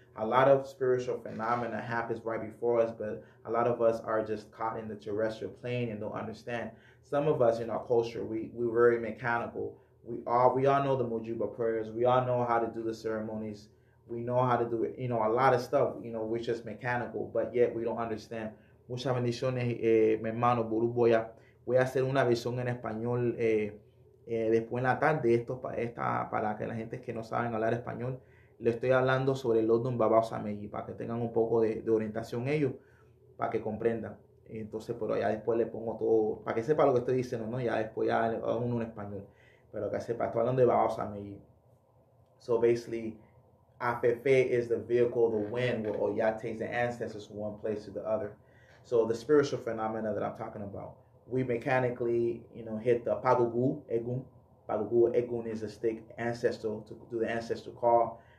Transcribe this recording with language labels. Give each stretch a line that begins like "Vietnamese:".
English: A lot of spiritual phenomena happens right before us, but a lot of us are just caught in the terrestrial plane and don't understand. Some of us in our culture, we're very mechanical. We all know the Mujuba prayers. We all know how to do the ceremonies. We know how to do it, you know, a lot of stuff, you know, which is mechanical, but yet we don't understand.
Spanish: Muchas bendiciones, mi hermano Buru Boya. Voy a hacer una versión en español después en la tarde. Esto está para que la gente que no saben hablar español. Le estoy hablando sobre el Lodun Baba Osamegi, para que tengan un poco de orientación ellos, para que comprendan. Entonces, pero ya después le pongo todo, para que sepa lo que estoy diciendo, ¿no? Ya después ya hago uno en español. Pero que sepa, estoy hablando de Baba Osamegi.
English: So basically, Afefe is the vehicle, the wind, where Oya takes the ancestors from one place to the other. So the spiritual phenomena that I'm talking about. We mechanically, you know, hit the Pagugu Egun. Pagugu Egun is a stick ancestor to do the ancestor call.